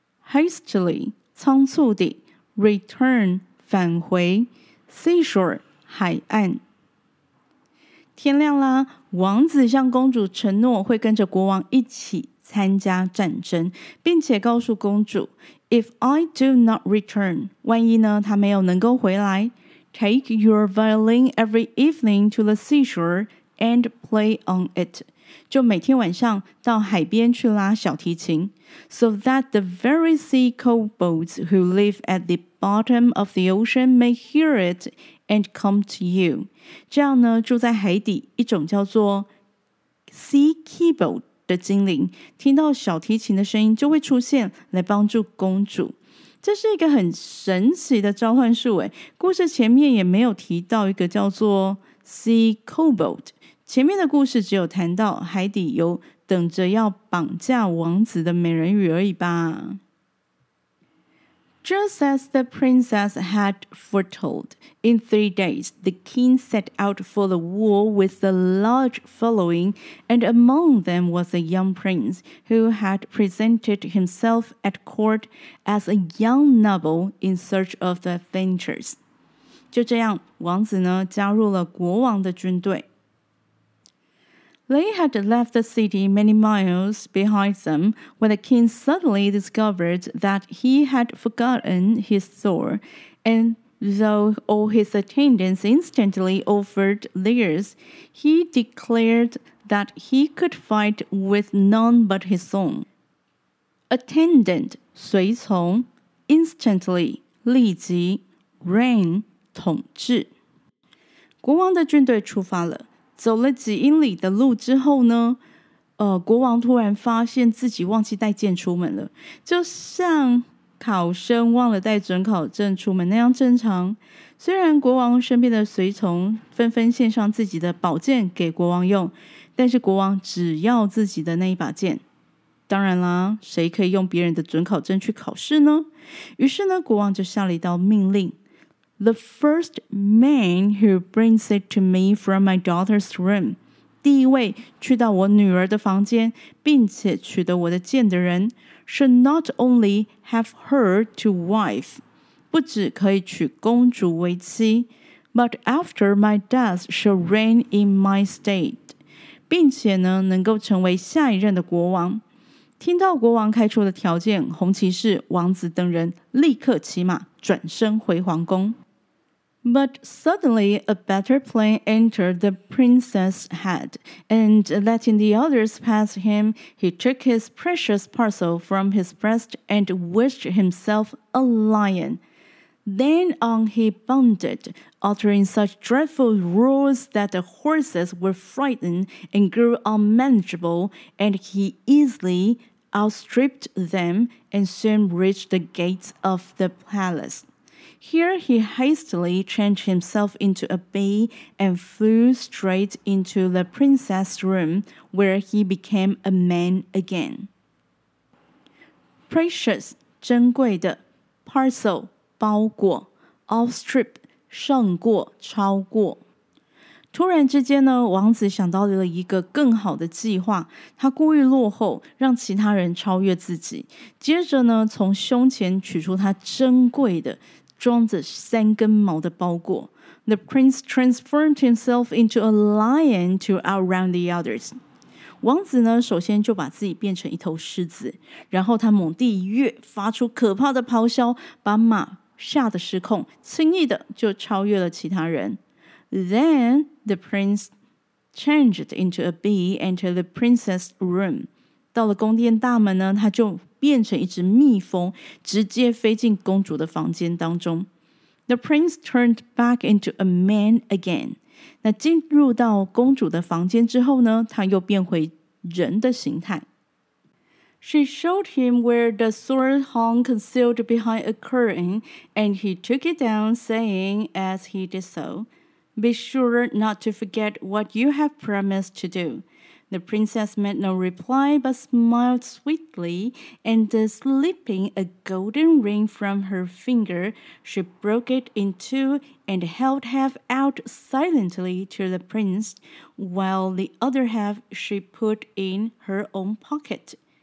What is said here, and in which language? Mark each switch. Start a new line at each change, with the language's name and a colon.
Chinese: Hastily, 仓促地, return, 返回, seashore, 海岸。天亮啦，王子向公主承诺会跟着国王一起参加战争，并且告诉公主
English: If I do not return,
Chinese: 万一呢他没有能够回来
English: Take your violin every evening to the seashore and play on it.
Chinese: 就每天晚上到海边去拉小提琴。
English: So that the very sea kobolds who live at the bottom of the ocean may hear it and come to you.
Chinese: 这样呢，住在海底一种叫做 sea kobold 的精灵，听到小提琴的声音就会出现来帮助公主。这是一个很神奇的召唤术耶，故事前面也没有提到一个叫做 sea kobold。前面的故事只有谈到海底有等着要绑架王子的美人鱼而已吧。
English: Just as the princess had foretold, in 3 days, the king set out for the war with a large following, and among them was a young prince who had presented himself at court as a young noble in search of adventures.
Chinese: 就这样，王子呢，加入了国王的军队。
English: They had left the city many miles behind them when the king suddenly discovered that he had forgotten his sword, and though all his attendants instantly offered theirs, he declared that he could fight with none but his own.
Chinese: Attendant, 随从, instantly, 立即, reign, 统治。国王的军队出发了。走了几英里的路之后呢，国王突然发现自己忘记带剑出门了，就像考生忘了带准考证出门那样正常。虽然国王身边的随从纷纷献上自己的宝剑给国王用，但是国王只要自己的那一把剑。当然啦，谁可以用别人的准考证去考试呢？于是呢，国王就下了一道命令。
English: The first man who brings it to me from my daughter's room,
Chinese: 第一位去到我女儿的房间并且取得我的剑的人
English: should not only have her to wife,
Chinese: 不只可以娶公主为妻
English: but after my death shall reign in my state,
Chinese: 并且呢能够成为下一任的国王。听到国王开出的条件，红骑士、王子等人立刻骑马转身回皇宫。
English: But suddenly a better plan entered the princess's head, and letting the others pass him, he took his precious parcel from his breast and wished himself a lion. Then on he bounded, uttering such dreadful roars that the horses were frightened and grew unmanageable, and he easily outstripped them and soon reached the gates of the palace. Here he hastily changed himself into a bee and flew straight into the princess's room, where he became a man again.
Chinese: Precious, 珍贵的, parcel, 包裹, outstrip, 胜过, 超过。突然之间呢，王子想到了一个更好的计划，他故意落后，让其他人超越自己。接着呢，从胸前取出他珍贵的装着三根毛的包裹。
English: The prince transformed himself into a lion to outrun the others.
Chinese: 王子呢，首先就把自己变成一头狮子，然后他猛地一跃，发出可怕的咆哮，把马吓得失控，轻易的就超越了其他人。
English: Then the prince changed into a bee into the princess's room.
Chinese: 到了宫殿大门呢，他就变成一只蜜蜂，直接飞进公主的房间当中。
English: The prince turned back into a man again.
Chinese: 那进入到公主的房间之后呢，她又变回人的形态。
English: She showed him where the sword hung concealed behind a curtain, and he took it down, saying as he did so, "Be sure not to forget what you have promised to do." The princess made no reply, but smiled sweetly, and slipping a golden ring from her finger, she broke it in two and held half out silently to the prince, while the other half she put in her own pocket.